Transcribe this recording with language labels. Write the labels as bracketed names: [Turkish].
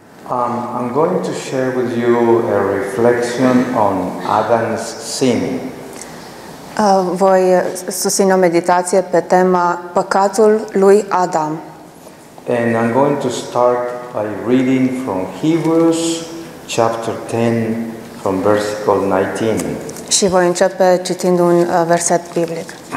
[English] I'm going to share with you a reflection on Adam's sin. [Romanian] Voi susține o meditație pe tema păcatul lui Adam. [English] And I'm going to start by reading from Hebrews chapter 10 from versicle 19. [Romanian] Și voi începe citind un verset biblic.